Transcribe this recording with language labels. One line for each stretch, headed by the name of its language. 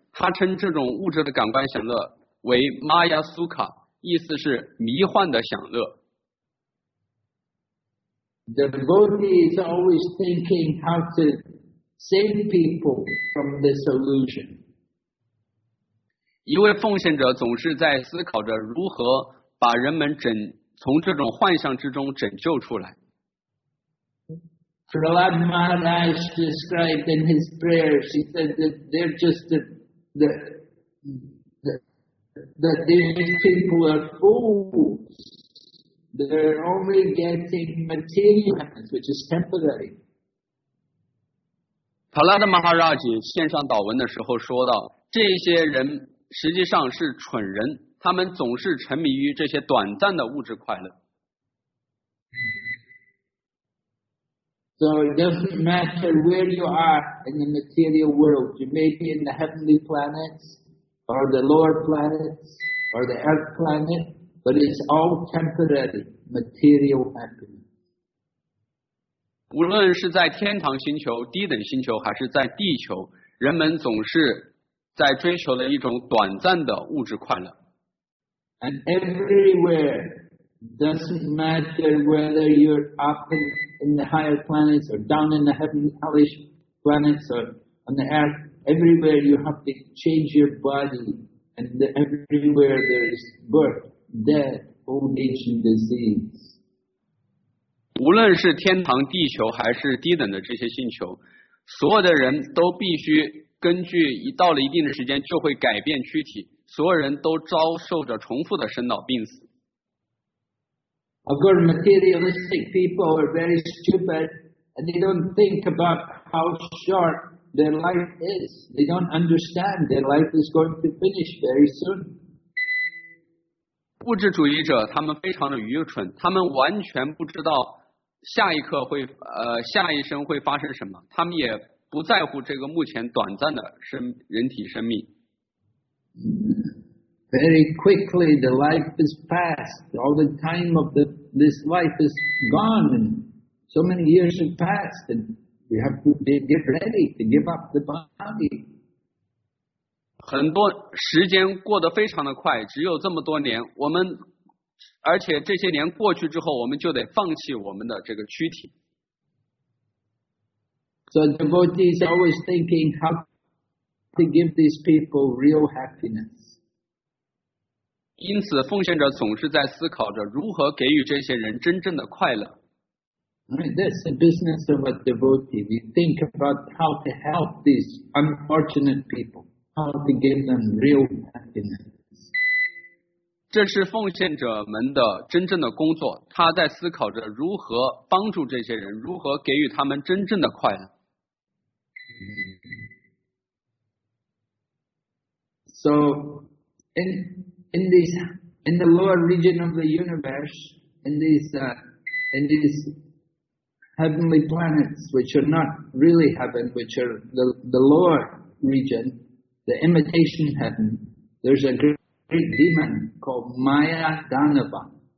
Chinese: 他称这种物质的感官享乐为 Maya Suka， 意思是迷幻的享乐。
English: The devotee is always thinking how to save people from this illusion.
Chinese: 一位奉献者总是在思考着如何把人们从这种幻象之中拯救出来。
English: Prahlad Maharaj described in his prayers, he said that they're just that these people are fools. They're only getting material happiness, which is temporary.
Chinese: Prahlad Maharaj 献上祷文的时候说道，这些人实际上是蠢人，他们总是沉迷于这些短暂的物质快乐。
English: So it doesn't matter where you are in the material world. You may be in the heavenly planets, or the lower planets, or the earth planet.But it's all temporary, material happiness.
Chinese: 无论是在天堂星球、低等星球还是在地球，人们总是在追求的一种短暂的物质快乐。
English: And everywhere doesn't matter whether you're up in the higher planets or down in the heavenly hellish planets or on the earth. Everywhere you have to change your body, and everywhere there is birth, death, old age, and disease.
Chinese: 无论是天堂、地球还是低等的这些星球，所有的人都必须根据一到了一定的时间就会改变躯体。所有人都遭受着重复的生老病死。
English: Of course, materialistic people are very stupid, and they don't think about how short their life is. They don't understand their life is going to finish very soon.
Chinese: 物质主义者他们非常的愚蠢，他们完全不知道下一刻会下一生会发生什么，他们也不在乎这个目前短暂的人体生命。
English: Very quickly, the life is passed. All the time of this life is gone, and so many years have passed, and we have to get ready to give up the body.
Chinese: 很多时间过得非常的快，只有这么多年，我们而且这些年过去之后，我们就得放弃我们的这个躯体。
English: So the devotee is always thinking how to give these people real happiness.
Chinese: 因此奉献者总是在思考着如何给予这些人真正的快乐。
English: That's the business of a devotee. We think about how to help these unfortunate people, how to give them real happiness.
Chinese: 这是奉献者们的真正的工作，他在思考着如何帮助这些人，如何给予他们真正的快乐。
English: So, in the lower region of the universe, in these heavenly planets, which are not really heaven, which are the lower region, the imitation heaven, there's a great demon called Maya Danava.